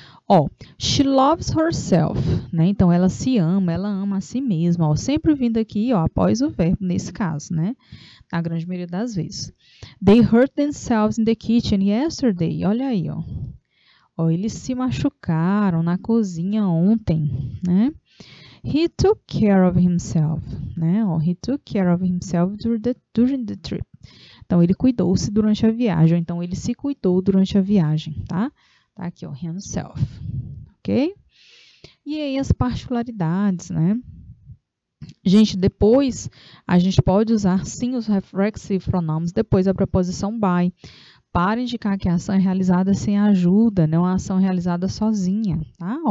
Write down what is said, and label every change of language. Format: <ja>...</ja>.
<pt>Ó,</pt> <en>she loves herself,</en> <pt>né? Então, ela ama a si mesma, ó. Sempre vindo aqui, ó, após o verbo, nesse caso, né? Na grande maioria das vezes.</pt> <en>They hurt themselves in the kitchen yesterday.</en> <pt>Olha aí, ó. Ó, eles se machucaram na cozinha ontem, né?</pt> <en>He took care of himself, né? Ó, he took care of himself during the trip.</en> <pt>Então, ele cuidou-se durante a viagem. Então, ele se cuidou durante a viagem, tá? Tá aqui, ó, himself, ok? E aí, as particularidades, né? Gente, depois, a gente pode usar, sim, os reflexive pronouns, depois da preposição by, para indicar que a ação é realizada sem ajuda, né? Uma ação realizada sozinha, tá?</pt>